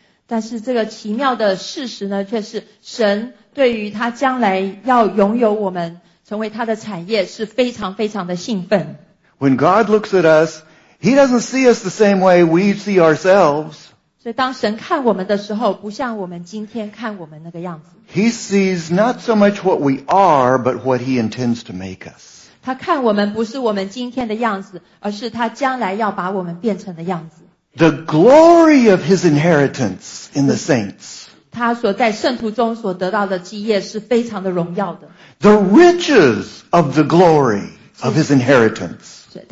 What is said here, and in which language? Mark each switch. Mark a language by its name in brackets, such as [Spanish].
[Chinese] 但是这个奇妙的事实呢，却是神对于他将来要拥有我们成为他的产业是非常非常的兴奋。 [English] When God looks at us, He doesn't see us the same way we see ourselves. [Chinese] 所以当神看我们的时候，不像我们今天看我们那个样子。 [English] He sees not so much what we are, but what He intends to make us. [Chinese] 他看我们不是我们今天的样子，而是他将来要把我们变成的样子。 [English] The glory of His inheritance in the saints. [Chinese] 他所在圣徒中所得到的基业是非常的荣耀的。 [English] The riches of the glory of His inheritance.